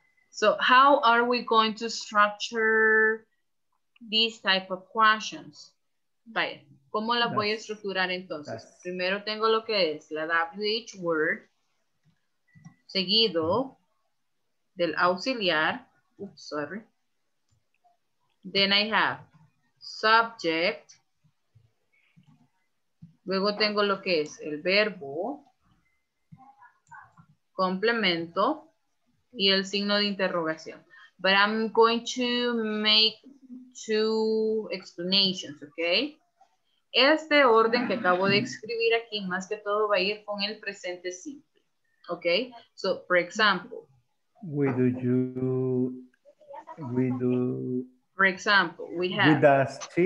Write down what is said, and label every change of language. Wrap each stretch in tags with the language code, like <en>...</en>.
<en>So how are we going to structure these type of questions?</en> <es>Vaya, ¿cómo las voy a estructurar entonces? That's... Primero tengo lo que es la WH word, seguido del auxiliar.</es> <en>Oops, sorry. Then I have subject.</en> <es>Luego tengo lo que es el verbo, complemento, y el signo de interrogación.</es> <en>But I'm going to make two explanations, okay?</en> <es>Este orden que acabo de escribir aquí, más que todo va a ir con el presente simple, okay?</es> <en>So, for example. For example, we have.</en>